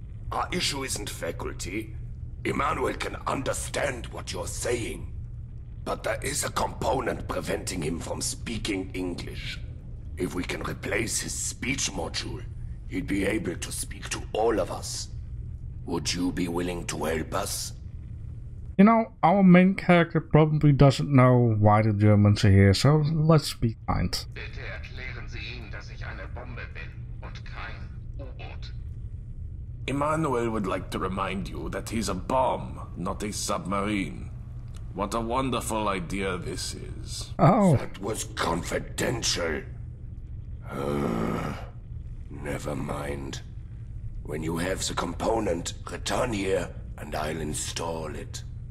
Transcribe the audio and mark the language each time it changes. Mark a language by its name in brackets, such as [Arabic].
[English] Our issue isn't faculty. Emmanuel can understand what you're saying, but there is a component preventing him from speaking English. If we can replace his speech module, he'd be able to speak to all of us. Would you be willing to help us? You know, our main character probably doesn't know why the Germans are here, so let's be kind. [German] Bitte erklären Sie ihm, dass ich eine Bombe bin und kein U-Boot. [English] Emmanuel would like to remind you that he's a bomb, not a submarine. What a wonderful idea this is. Oh. That was confidential. Never mind. When you have the component, return here and I'll install it.